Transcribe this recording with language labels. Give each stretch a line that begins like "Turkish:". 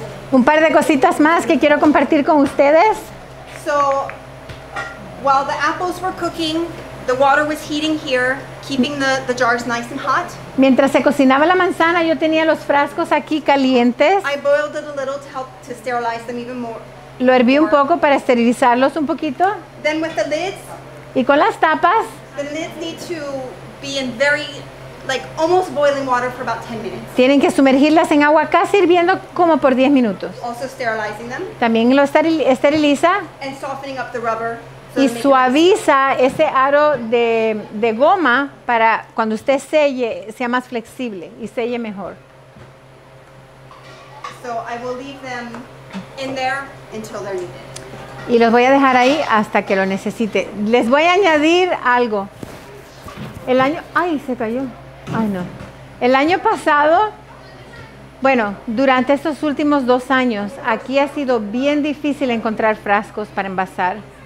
Spanish: Un par de cositas más que quiero compartir con ustedes.
English: So, while the apples were cooking, the water was heating here, keeping the jars nice and hot.
Spanish: Mientras se cocinaba la manzana, yo tenía los frascos aquí calientes.
English: I boiled it a little to help to sterilize them even more.
Spanish: Lo herví un poco para esterilizarlos un poquito.
English: Then with the lids.
Spanish: Y con las tapas.
English: The lids need to be in very like almost boiling water for about 10 minutes.
Spanish: Tienen que sumergirlas en agua casi hirviendo como por 10 minutos.
English: Also sterilizing them.
Spanish: También lo esteriliza.
English: And softening up the rubber.
Spanish: Y suaviza ese aro de goma para cuando usted selle sea más flexible y selle mejor.
English: So I will leave them in there until they're needed.
Spanish: Y los voy a dejar ahí hasta que lo necesite. Les voy a añadir algo. Ay, se cayó. Ay, no. El año pasado, bueno, durante estos últimos 2 años, aquí ha sido bien difícil encontrar frascos para envasar.